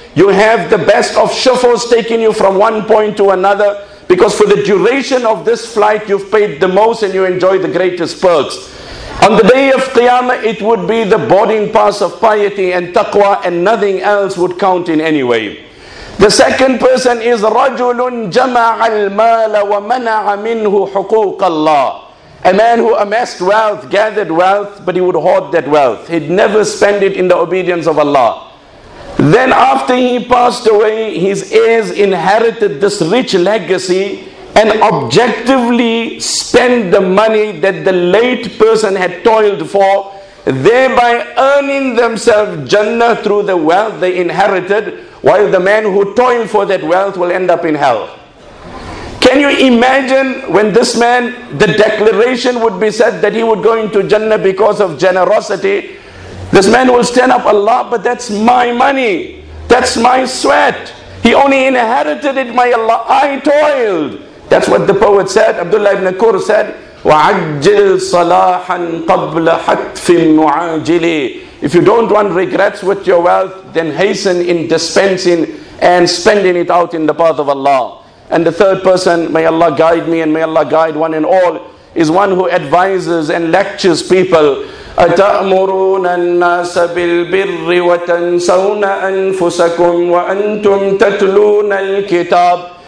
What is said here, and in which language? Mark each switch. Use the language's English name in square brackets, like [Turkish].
[English] You have the best of chauffeurs taking you from one point to another. Because for the duration of this flight, you've paid the most and you enjoy the greatest perks. On the day of Qiyamah, it would be the boarding pass of piety and taqwa, and nothing else would count in any way. The second person is [Arabic] رَجُلٌ جَمَعَ الْمَالَ وَمَنَعَ مِنْهُ حُقُوقَ اللَّهِ. [English] A man who amassed wealth, gathered wealth, but he would hoard that wealth. He'd never spend it in the obedience of Allah. Then after he passed away, his heirs inherited this rich legacy and objectively spent the money that the late person had toiled for, thereby earning themselves Jannah through the wealth they inherited, while the man who toiled for that wealth will end up in hell. Can you imagine when this man, the declaration would be said that he would go into Jannah because of generosity? This man will stand up, Allah, but that's my money. That's my sweat. He only inherited it, my Allah. I toiled. That's what the poet said. Abdullah ibn Kur said, [Arabic] وَعَجِّلْ صَلَاحًا قَبْلَ حَتْفٍ مُعَاجِلِ. [English] If you don't want regrets with your wealth, then hasten in dispensing and spending it out in the path of Allah. And the third person, may Allah guide me and may Allah guide one and all, is one who advises and lectures people. [Arabic] أَتَأْمُرُونَ النَّاسَ بِالْبِرِّ وَتَنْسَوْنَ أَنفُسَكُمْ وَأَنْتُمْ تَتْلُونَ الْكِتَابِ.